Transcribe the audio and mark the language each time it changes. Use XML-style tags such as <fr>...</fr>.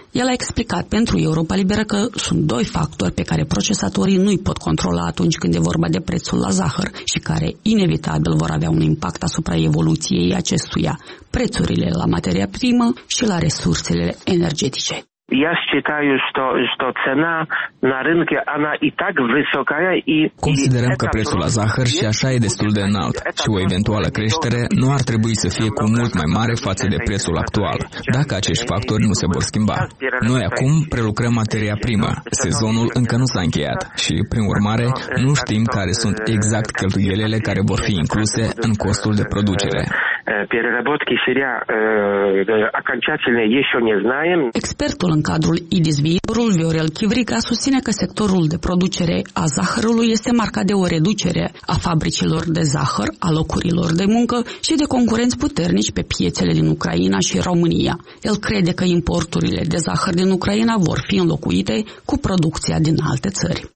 <ro>El a explicat pentru Europa Liberă că sunt doi factori pe care procesatorii nu-i pot controla atunci când e vorba de prețul la zahăr și care inevitabil vor avea un impact asupra evoluției acestuia, prețurile la materia primă și la resursele energetice.</ro> <ru>Я считаю, что цена на рынке она и так высокая и</ru> <ro>Considerăm că prețul la zahăr și așa e destul de înalt, și o eventuală creștere nu ar trebui să fie cu mult mai mare față de prețul actual, dacă acești factori nu se vor schimba. Noi acum prelucrăm materia primă. Sezonul încă nu s-a încheiat și, prin urmare, nu știm care sunt exact cheltuielile care vor fi incluse în costul de producere.</ro> <ru>Переработки сырья окончательно еще не знаем.</ru> <ro>Expertul în cadrul IDIS Viitorul, Viorel Chivrica, susține că sectorul de producere a zahărului este marcat de o reducere a fabricilor de zahăr, a locurilor de muncă și de concurenți puternici pe piețele din Ucraina și România. El crede că importurile de zahăr din Ucraina vor fi înlocuite cu producția din alte țări.</ro>